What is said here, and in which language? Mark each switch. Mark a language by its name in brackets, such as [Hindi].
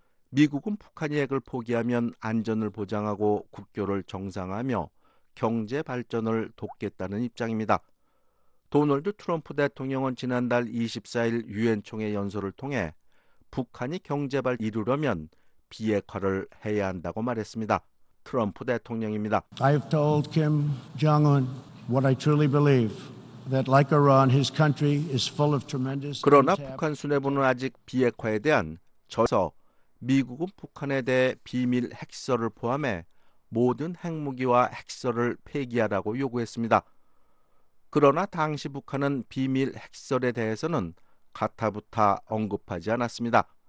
[Korean] 미국은 북한이 핵을 포기하면 안전을 보장하고 국교를 정상화하며 경제 발전을 돕겠다는 입장입니다. 도널드 트럼프 대통령은 지난달 24일 유엔 총회 연설을 통해 북한이 경제 발전 이루려면 비핵화를 해야 한다고 말했습니다. 트럼프 대통령입니다. [English] I have told Kim Jong-un what I truly believe. That like Iran, his country is full of tremendous. [Korean] 그러나 북한 수뇌부는 아직 비핵화에 대한 저서, 미국은 북한에 대해 비밀 핵시설을 포함해 모든 핵무기와 핵시설을 폐기하라고 요구했습니다. 그러나 당시 북한은 비밀 핵시설에 대해서는 가타부타 언급하지 않았습니다.